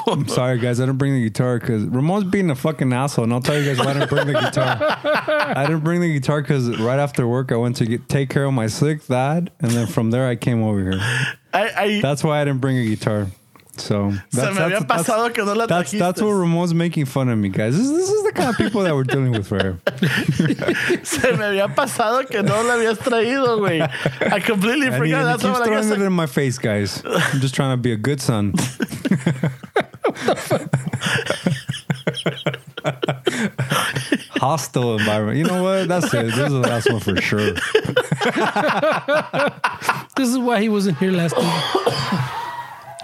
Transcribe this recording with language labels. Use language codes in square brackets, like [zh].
[en] I'm sorry, guys. I didn't bring the guitar because Ramon's being a fucking asshole, and I'll tell you guys why I didn't bring the guitar. I didn't bring the guitar. guitar because right after work, I went to take care of my sick dad. And then from there, I came over here. That's why I didn't bring a guitar. So that's what Ramon's making fun of me, guys. This is the kind of people that we're dealing with right here. [es] Se me había pasado que no la habías traído, güey. [en] I completely and forgot. He keeps throwing it in my face, guys. I'm just trying to be a good son. Hostile environment. You know what? That's it. This is the last one for sure. This is why he wasn't here last time.